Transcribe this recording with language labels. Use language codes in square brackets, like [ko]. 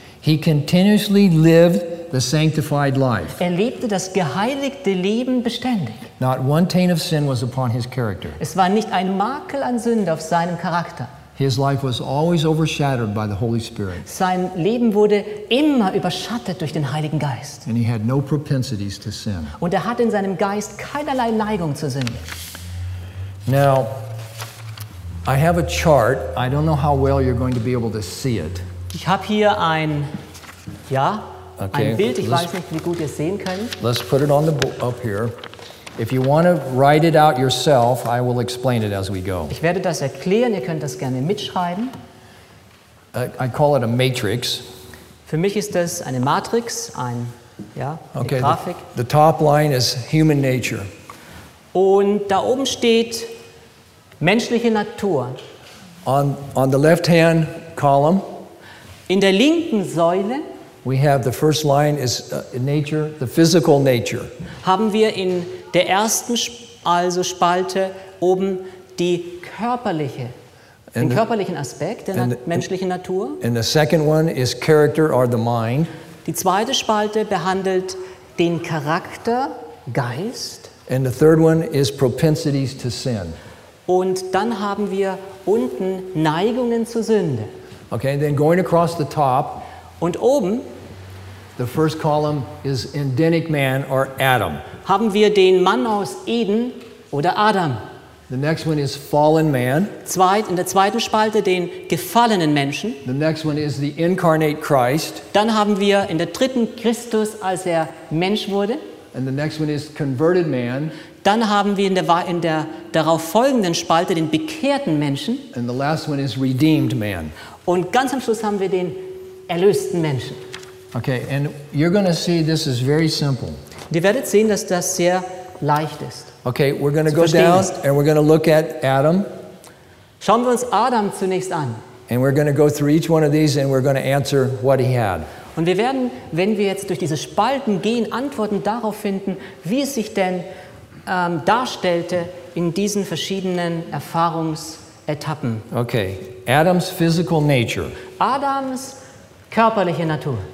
[en] He continuously lived the sanctified life. [de] Er lebte das geheiligte Leben beständig. [en] Not one taint of sin was upon his character. [de] Es war nicht ein Makel an Sünde auf seinem Charakter. [en] His life was always overshadowed by the Holy Spirit. [de] Sein Leben wurde immer überschattet durch den Heiligen Geist. [en] And he had no propensities to sin. [de] Und er hatte in seinem Geist keinerlei Neigung zur Sünde. [en] Now, I have a chart. I don't know how well you're going to be able to see it. [de] Ich habe hier ein, ja, okay, ein Bild. Ich weiß nicht, wie gut ihr sehen könnt. [en] Let's put it on the up here. If you want to write it out yourself, I will explain it as we go. [de] Ich werde das erklären. Ihr könnt das gerne mitschreiben. [en] I call it a matrix. [de] Für mich ist das eine Matrix, ein, ja, eine, okay, Grafik. [en] The top line is human nature. [de] Und da oben steht menschliche Natur. [en] On the left hand column. [de] In der linken Säule. [en] We have the first line is nature, the physical nature. [de] Haben wir in der ersten also spalte oben die körperliche, den körperlichen Aspekt der menschlichen Natur. [en] And the second one is character or the mind. [de] Die zweite Spalte behandelt den Charakter, Geist. [en] And the third one is propensities to sin. [de] Und dann haben wir unten Neigungen zur Sünde. [en] Okay, then going across the top. [de] Und oben. [en] The first column is Edenic man or Adam. [de] Haben wir den Mann aus Eden oder Adam. [en] The next one is fallen man. [de] In der zweiten Spalte den gefallenen Menschen. [en] The next one is the incarnate Christ. [de] Dann haben wir in der dritten Christus, als er Mensch wurde. [en] And the next one is converted man. [de] Dann haben wir in der darauf folgenden Spalte den bekehrten Menschen. [en] And the last one is redeemed man. [de] Und ganz am Schluss haben wir den erlösten Menschen. [en] Okay, and you're going to see this is very simple. [de] Ihr werdet sehen, dass das sehr leicht ist. [en] Okay, we're going to go down and we're going to look at Adam. [de] Schauen wir uns Adam zunächst an. [en] And we're going to go through each one of these and we're going to answer what he had. [de] Und wir werden, wenn wir jetzt durch diese Spalten gehen, Antworten darauf finden, wie es sich denn darstellte in diesen verschiedenen Erfahrungsetappen. [en] Okay, Adam's physical nature. [de] Adams körperliche Natur.